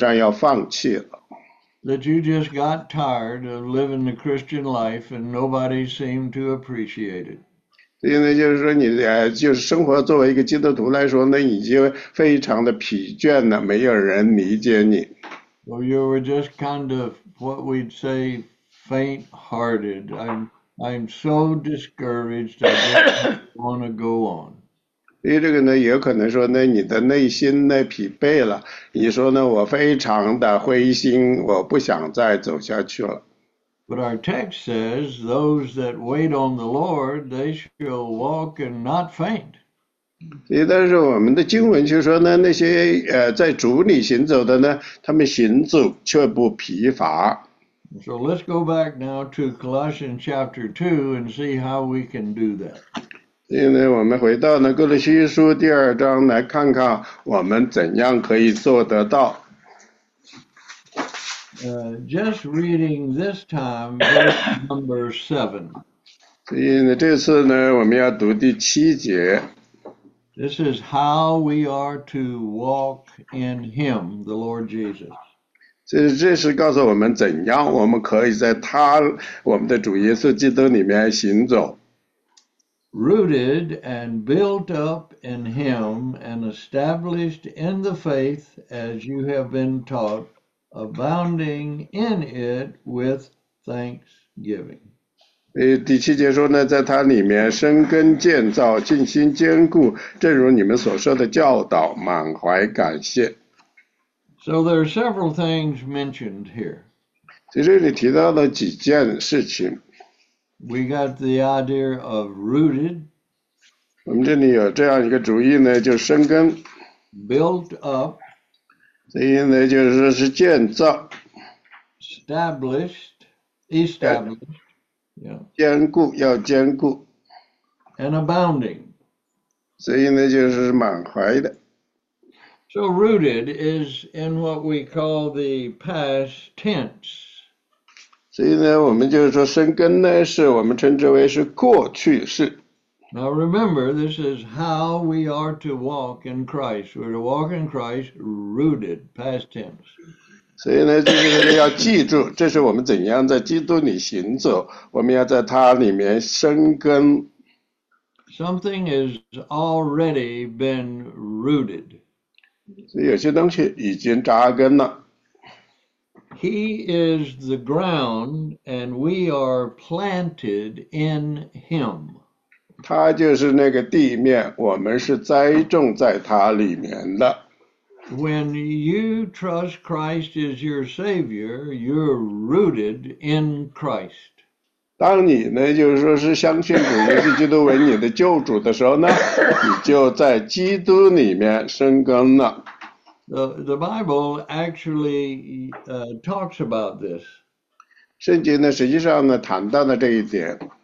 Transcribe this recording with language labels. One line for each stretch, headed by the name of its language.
Chinese: 所以有可能意味着呢，你非常的灰心，基本上要放弃了。
English: That you just got tired of living the Christian life and nobody seemed to appreciate it.
Chinese: 所以呢，就是说你就是生活作为一个基督徒来说呢，已经非常的疲倦了，没有人理解你。
English: So you were just kind of what we'd say faint-hearted. I'm so discouraged. I just want to go on.
Chinese: 所以这个呢，也可能说呢，你的内心呢疲惫了。你说呢，我非常的灰心，我不想再走下去了。
English: But our text says those that wait on the Lord, they shall walk and not faint.
Chinese: 但是我们的经文就说呢，那些在主里行走的呢，他们行走却不疲乏。
English: So let's go back now to Colossians chapter 2 and see how we can do that.
Chinese: 现在我们回到呢哥罗西书第二章来看看我们怎样可以做得到。
English: Just reading this time, verse number 7.
Chinese: 所以呢，这次呢，我们要读第七节。
English: This is how we are to walk in Him, the Lord Jesus.
Chinese: 这是告诉我们怎样我们可以在他，我们的主耶稣基督里面行走。
English: Rooted and built up in Him and established in the faith as you have been taught, abounding in it with thanksgiving.
Chinese: 第七节说呢，在他里面生根建造，信心坚固，正如你们所说的教导，满怀感谢。
English: So there are several things mentioned here.
Chinese: 在这里提到了几件事情。
English: We got the idea of rooted.
Chinese: 我们这里有这样一个主意呢，就生根。
English: Built up.
Chinese: 所以呢，就是说是建造。
English: Established. Yeah.
Chinese: 坚固，要坚固。
English: And abounding.
Chinese: 所以呢，就是满怀的。
English: So rooted is in what we call the past tense.
Chinese: 所以呢，我们就是说生根呢，是我们称之为是过去式。
English: Now remember, this is how we are to walk in Christ. We're to walk in Christ rooted, past tense.
Chinese: 所以呢，就是要记住，这是我们怎样在基督里行走，我们要在他里面生根。
English: Something has already been rooted.
Chinese: 所以有些东西已经扎根了。
English: He is the ground, and we are planted in Him.
Chinese: 他就是那个地面，我们是栽种在他里面的。
English: When you trust Christ as your Savior, you're rooted in Christ.
Chinese: 当你呢，就是说是相信主耶稣基督为你的救主的时候呢，你就在基督里面生根了。
English: The Bible actually talks about this.
Chinese: 圣经呢，实际上呢，谈到了这一点。